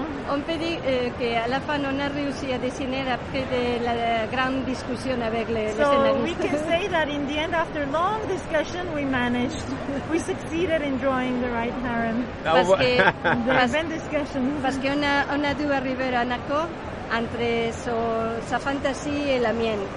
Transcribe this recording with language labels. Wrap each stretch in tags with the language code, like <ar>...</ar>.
<fr>On peut dire que à la fin on a réussi à dessiner après de la grande discussion avec les scénaristes.</fr> <en>So we can say that in the end, after long discussion, we succeeded in drawing the right harem.</en> <fr>Parce que on a dû arriver à un accord entre sa fantaisie et la mienne.</fr>